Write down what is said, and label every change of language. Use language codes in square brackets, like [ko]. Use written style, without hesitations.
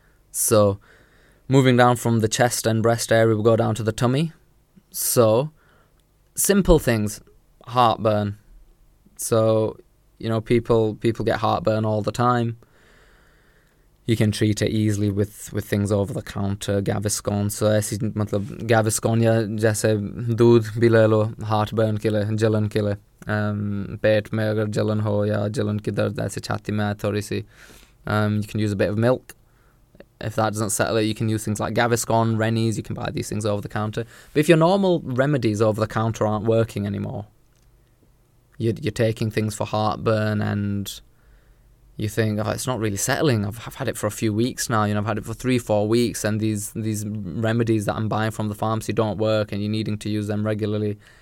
[en] So moving down from the chest and breast area, we go down to the tummy. So simple things. Heartburn. So, you know, people get heartburn all the time. you can treat it easily with things over the counter, Gaviscon. [hi] So ऐसे मतलब Gaviscon या जैसे दूध भी ले लो, heartburn के लिए, जलन के लिए, पेट में अगर जलन हो या जलन की दर्द ऐसे छाती में थोड़ी सी, [en] you can use a bit of milk. If that doesn't settle it, you can use things like Gaviscon, Rennie's. You can buy these things over the counter. But if your normal remedies over the counter aren't working anymore, you're taking things for heartburn and you think, oh, it's not really settling. I've had it for a few weeks now. You know, I've had it for 3-4 weeks and these remedies that I'm buying from the pharmacy don't work and you're needing to use them regularly.